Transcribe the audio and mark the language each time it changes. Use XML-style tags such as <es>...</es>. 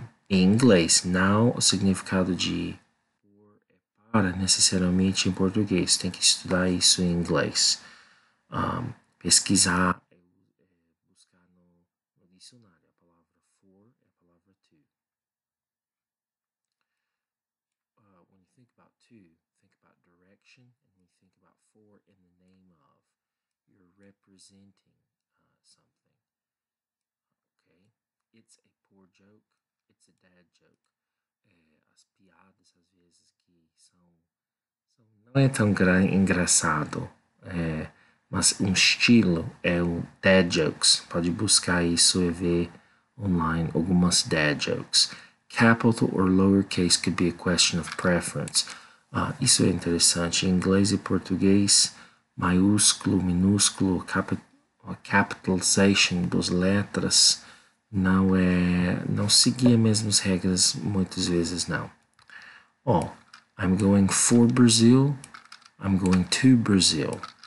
<pt>Em inglês, não o significado de for é para necessariamente em português. Tem que estudar isso em inglês. Pesquisar é buscar no dicionário a palavra for e a palavra to.</pt> <en>When you think about to, think about direction, and when you think about for in the name of, you're representing something. Okay? It's a poor joke, it's a dad joke.</en> <pt>As piadas às vezes que são não é tão engraçado. Mas um estilo é o dad jokes. Pode buscar isso e ver online algumas dad jokes.</pt> <en>Capital or lowercase could be a question of preference.</en> <pt>Isso é interessante. Em inglês e português, maiúsculo, minúsculo, capitalization das letras não seguia mesmo as regras muitas vezes, não.</pt> <en>I'm going for Brazil. I'm going to Brazil.</en>